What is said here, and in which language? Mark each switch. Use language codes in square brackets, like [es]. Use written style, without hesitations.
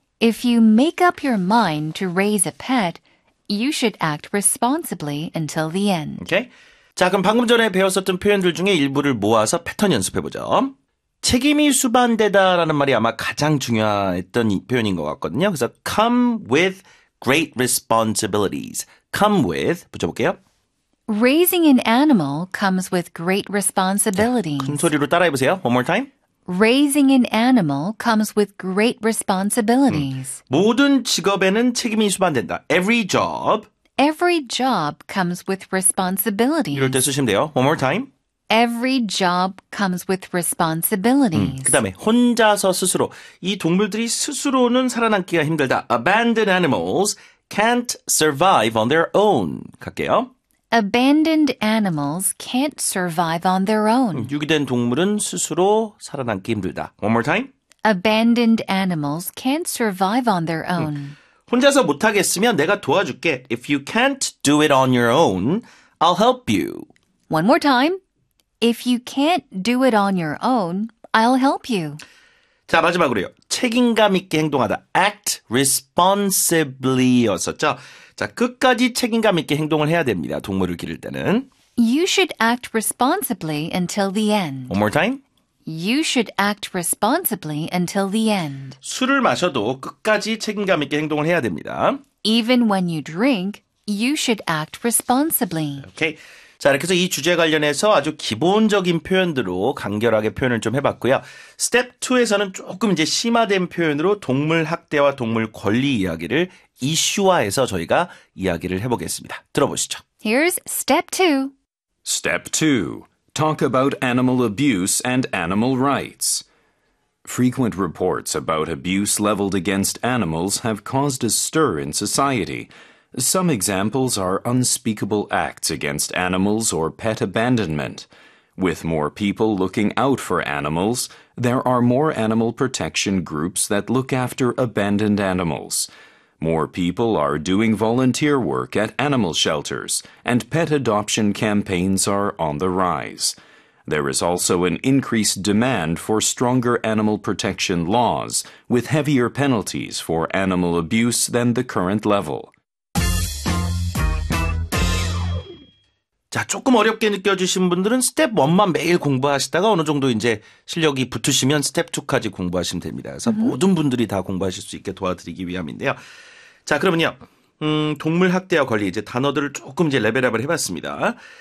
[en] If you make up your mind to raise a pet, you should act responsibly until the end. Okay. [ko] 자, 그럼 방금 전에 배웠었던 표현들 중에 일부를 모아서 패턴 연습해보죠. 책임이 수반되다라는 말이 아마 가장 중요했던 표현인 것 같거든요. 그래서 [en] come with great responsibilities. come with, [ko] 붙여볼게요. [en] Raising an animal comes with great responsibilities. [ko] 자, 큰 소리로 따라해보세요. [en] One more time. Raising an animal comes with great responsibilities. [ko] 모든 직업에는 책임이 수반된다. [en] Every job. Every job comes with responsibilities. [ko] 이럴 때 쓰시면 돼요. [en] One more time. Every job comes with responsibilities. [ko] 그 다음에 혼자서 스스로. 이 동물들이 스스로는 살아남기가 힘들다. [en] Abandoned animals can't survive on their own. [ko] 갈게요. [en] Abandoned animals can't survive on their own. [ko] 유기된 동물은 스스로 살아남기 힘들다. [en] One more time. Abandoned animals can't survive on their own. [ko] 혼자서 못하겠으면 내가 도와줄게. [en] If you can't do it on your own, I'll help you. One more time. If you can't do it on your own, I'll help you. [ko] 자, 마지막으로요. 책임감 있게 행동하다. [en] Act responsibly [ko] 였었죠. 자, 끝까지 책임감 있게 행동을 해야 됩니다. 동물을 기를 때는. [en] You should act responsibly until the end. One more time. You should act responsibly until the end. [ko] 술을 마셔도 끝까지 책임감 있게 행동을 해야 됩니다. [en] Even when you drink, you should act responsibly. Okay. [ko] 자, 이렇게 해서 이 주제 관련해서 아주 기본적인 표현들로 간결하게 표현을 좀 해봤고요. Step 2에서는 조금 이제 심화된 표현으로 동물 학대와 동물 권리 이야기를 이슈화해서 저희가 이야기를 해보겠습니다. 들어보시죠. [en] Here's Step 2. Step 2. Talk about animal abuse and animal rights. Frequent reports about abuse leveled against animals have caused a stir in society. Some examples are unspeakable acts against animals or pet abandonment. With more people looking out for animals, there are more animal protection groups that look after abandoned animals. More people are doing volunteer work at animal shelters, and pet adoption campaigns are on the rise. There is also an increased demand for stronger animal protection laws, with heavier penalties for animal abuse than the current level. [ko] 자, 조금 어렵게 느껴지신 분들은 스텝 1만 매일 공부하시다가 어느 정도 이제 실력이 붙으시면 스텝 2까지 공부하시면 됩니다. 그래서 모든 분들이 다 공부하실 수 있게 도와드리기 위함인데요. 자, 그러면요. 동물 학대와 권리 이제 단어들을 조금 이제 레벨업을 해봤습니다.